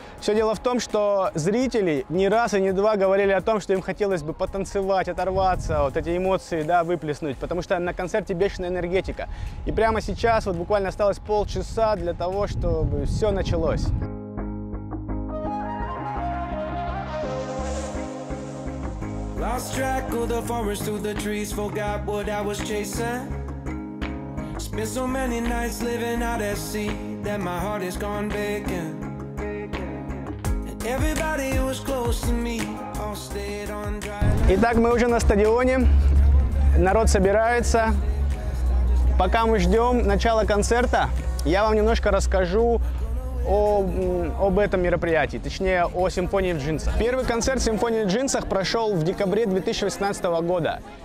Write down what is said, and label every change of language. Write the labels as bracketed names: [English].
[Russian] Все дело в том, что зрители не раз и не два говорили о том, что им хотелось бы потанцевать, оторваться, вот эти эмоции, да, выплеснуть, потому что на концерте бешеная энергетика. И прямо сейчас, вот буквально осталось полчаса для того, чтобы все началось. [English] Lost track of the forest through the trees, forgot what I was chasing. Spent so many nights living out at sea, that my heart is gone vacant. Everybody was close to me, all stayed on dry. [Russian] Итак, мы уже на стадионе, народ собирается. Пока мы ждем начала концерта, я вам немножко расскажу об этом мероприятии, точнее о «Симфонии в джинсах». Первый концерт «Симфонии в джинсах» прошел в декабре 2018 года.